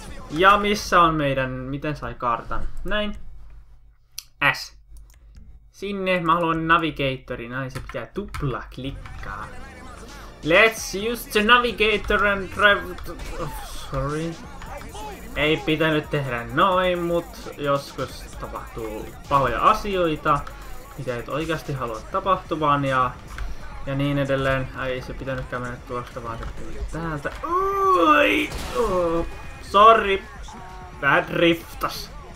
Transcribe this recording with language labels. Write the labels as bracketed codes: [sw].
[fi] Ja missä on meidän, miten sai kartan? Näin. S. Sinne mä haluan navigatorin, näin se pitää tupla klikkaa. [en] Let's use the navigator and drive... Oh, sorry. [fi] Ei pitänyt tehdä noin, mut joskus tapahtuu pahoja asioita, mitä et oikeasti halua tapahtuvan ja niin edelleen. Ei se pitänyt mennä tuosta, vaan se tuli täältä. Oi! Sorry! Vähän driftas.